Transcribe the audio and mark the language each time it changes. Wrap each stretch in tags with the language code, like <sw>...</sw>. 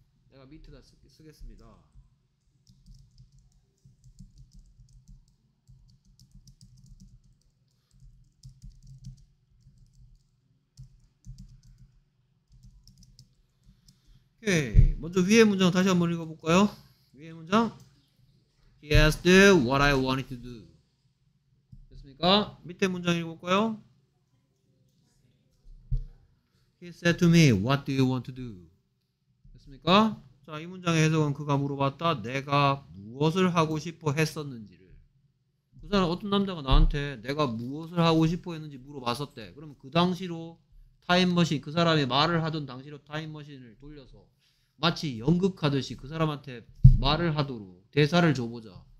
<ko>내가 밑에다 쓰겠습니다. 오케이. 먼저 위에 문장 다시 한번 읽어볼까요? 위에 문장</ko> <en>He asked what I wanted to do.</en> <ko>됐습니까? 밑에 문장 읽어볼까요?</ko> <en>He said to me, what do you want to do?</en> <ko>됐습니까? 자, 이 문장의 해석은 그가 물어봤다. 내가 무엇을 하고 싶어 했었는지를. 그 사람 어떤 남자가 나한테 내가 무엇을 하고 싶어 했는지 물어봤었대. 그러면 그 당시로 타임머신, 그 사람이 말을 하던 당시로 타임머신을 돌려서 마치 연극하듯이 그 사람한테 말을 하도록 대사를 줘보자.</ko>